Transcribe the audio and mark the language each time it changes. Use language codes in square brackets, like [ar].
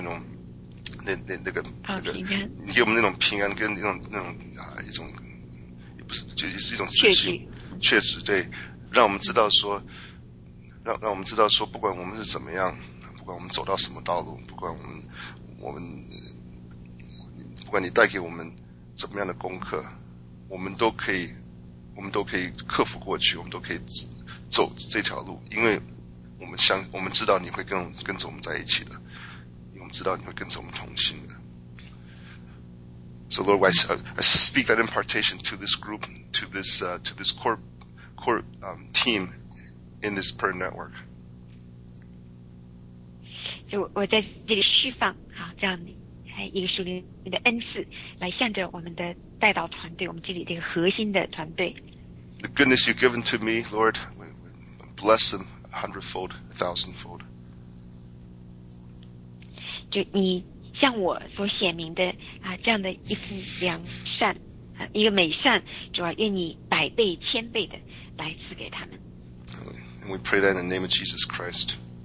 [zh] 你给我们那种平安跟那种一种，也不是，就是一种自信，确实对，让我们知道说，让我们知道说，不管我们是怎么样，不管我们走到什么道路，不管我们，不管你带给我们怎么样的功课，我们都可以克服过去，我们都可以走这条路，因为。我们知道你会跟着我们在一起的，我们知道你会跟着我们同行的。 [en] So Lord, I speak that impartation to this group, to this core team in this prayer network. [zh] 我在这里释放啊，这样一个属灵的恩赐，来向着我们的代祷团队，我们这里这个核心的团队。 [en] The goodness you've given to me, Lord, bless them. 100-fold, 1,000-fold. [zh] 就你向我所显明的这样的一副良善一个美善，主要愿你百倍千倍的来赐给他们。 [en] And we pray that in the name of Jesus Christ.